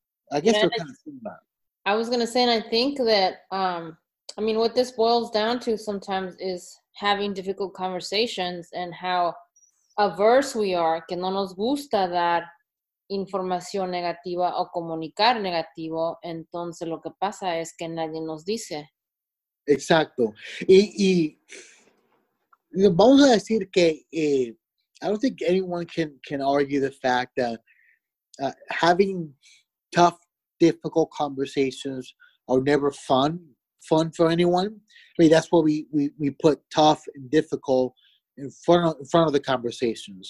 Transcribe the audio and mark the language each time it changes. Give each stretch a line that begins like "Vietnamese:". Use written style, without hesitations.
English: I guess they're kind of similar. I was going to say, and I think that, I mean, what this boils down to sometimes is having difficult conversations and how averse we are,
Spanish: que no nos gusta dar información negativa o comunicar negativo. Entonces, lo que pasa es que nadie nos dice. Exacto. Y vamos a decir que
English: I don't think anyone can argue the fact that having tough, difficult conversations are never fun for anyone. I mean, that's what we put tough and difficult in front of the conversations.